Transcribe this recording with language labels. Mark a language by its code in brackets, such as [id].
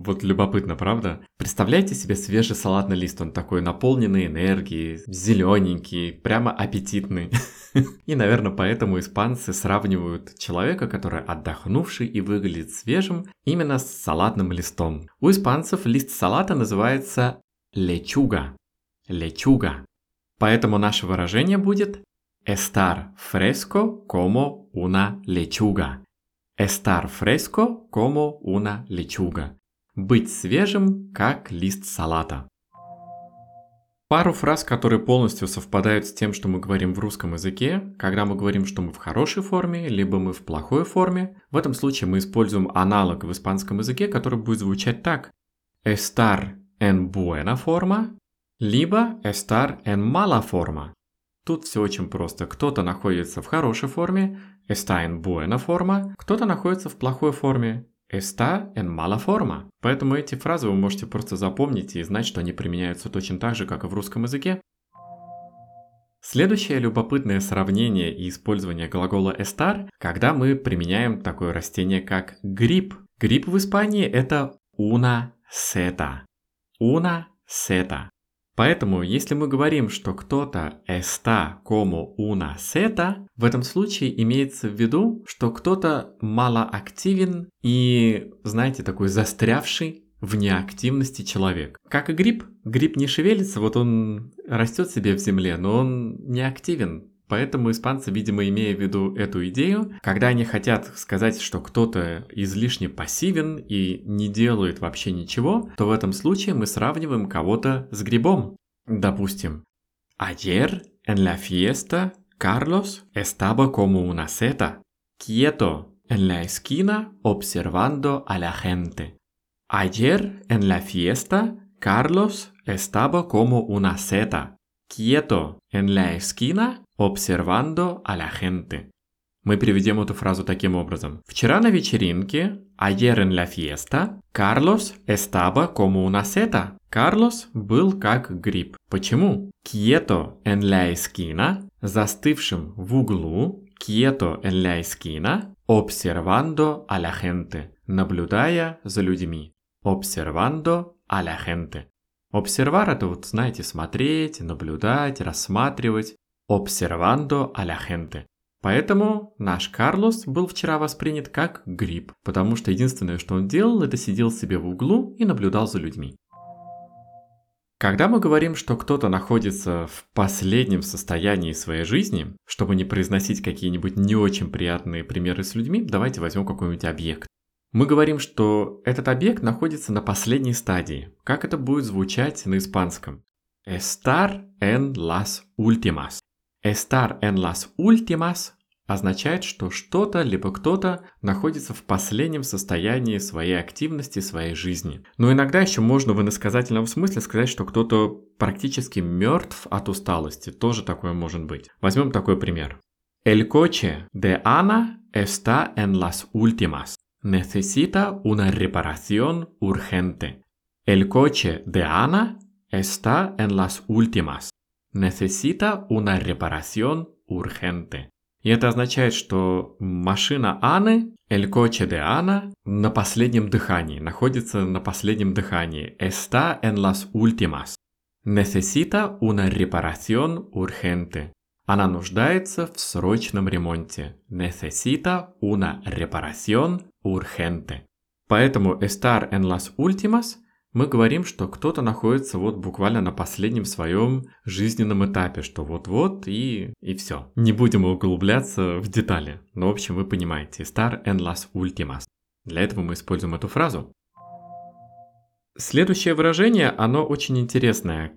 [ru] Вот любопытно, правда? Представляете себе свежий салатный лист, он такой наполненный энергией, зелененький, прямо аппетитный. И, наверное, поэтому испанцы сравнивают человека, который отдохнувший и выглядит свежим, именно с салатным листом. У испанцев лист салата называется лечуга. Лечуга. [es] Поэтому наше выражение будет «estar fresco como una lechuga». «Estar fresco como una lechuga». [ru] «Быть свежим, как лист салата». Пару фраз, которые полностью совпадают с тем, что мы говорим в русском языке, когда мы говорим, что мы в хорошей форме, либо мы в плохой форме, в этом случае мы используем аналог в испанском языке, который будет звучать так. [es] Estar en buena forma, либо estar en mala forma. [ru] Тут все очень просто. Кто-то находится в хорошей форме, [es] está en buena forma, [ru] кто-то находится в плохой форме. [es] Está en mala forma. [ru] Поэтому эти фразы вы можете просто запомнить и знать, что они применяются точно так же, как и в русском языке. Следующее любопытное сравнение и использование глагола estar, когда мы применяем такое растение, как гриб. Гриб в Испании это [es] una seta. Una seta. [ru] Поэтому, если мы говорим, что кто-то [es] está como una seta, [ru] в этом случае имеется в виду, что кто-то малоактивен и, знаете, такой застрявший в неактивности человек. Как и гриб. Гриб не шевелится, вот он растет себе в земле, но он неактивен. Поэтому испанцы, видимо, имея в виду эту идею, когда они хотят сказать, что кто-то излишне пассивен и не делает вообще ничего, то в этом случае мы сравниваем кого-то с грибом. [es] Допустим, «Ayer en la fiesta Carlos estaba como una seta, quieto en la esquina observando a la gente». «Ayer en la fiesta Carlos estaba como una seta, quieto en la esquina observando a la gente». [ru] Мы переведем эту фразу таким образом. Вчера на вечеринке, [es] ayer en la fiesta, Carlos estaba como una seta. [ru] Карлос был как гриб. Почему? [es] Quieto en la esquina, [ru] застывшим в углу, [es] quieto en la esquina, observando a la gente, [ru] наблюдая за людьми. [es] Observando a la gente. [ru] Observar — это вот, знаете, смотреть, наблюдать, рассматривать. [es] Observando a la gente. [ru] Поэтому наш Карлос был вчера воспринят как гриб, потому что единственное, что он делал, это сидел себе в углу и наблюдал за людьми. Когда мы говорим, что кто-то находится в последнем состоянии своей жизни, чтобы не произносить какие-нибудь не очень приятные примеры с людьми, давайте возьмем какой-нибудь объект. Мы говорим, что этот объект находится на последней стадии. Как это будет звучать на испанском? [es] Estar en las últimas. Estar en las últimas [ru] означает, что что-то либо кто-то находится в последнем состоянии своей активности, своей жизни. Но иногда еще можно в иносказательном смысле сказать, что кто-то практически мертв от усталости. Тоже такое может быть. Возьмем такой пример. [es] El coche de Ana está en las últimas. Necesita una reparación urgente. El coche de Ana está en las últimas. Necesita una reparación urgente. [ru] И это означает, что машина Аны, [es] el coche de Ana, [ru] на последнем дыхании, находится на последнем дыхании. [es] Está en las últimas. Necesita una reparación urgente. [ru] Она нуждается в срочном ремонте. [es] Necesita una reparación urgente. [ru] Поэтому [es] estar en las últimas [ru] мы говорим, что кто-то находится вот буквально на последнем своем жизненном этапе, что вот-вот и все. Не будем углубляться в детали. Но, в общем, вы понимаете. [es] Estar en las últimas. [ru] Для этого мы используем эту фразу. Следующее выражение, оно очень интересное.